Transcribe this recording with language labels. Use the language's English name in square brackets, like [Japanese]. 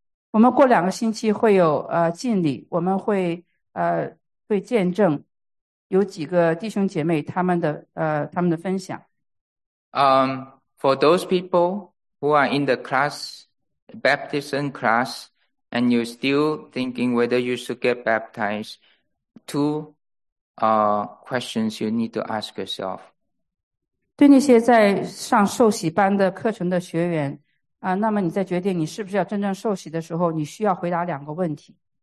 [Chinese] 我们过两个星期会有敬礼，我们会会见证有几个弟兄姐妹他们的分享。 [English] For those people who are in the class, baptism class, and you're still thinking whether you should get baptized, two questions you need to ask yourself. [Chinese] 对那些在上受洗班的课程的学员那么你在决定你是不是要真正受洗的时候，你需要回答两个问题。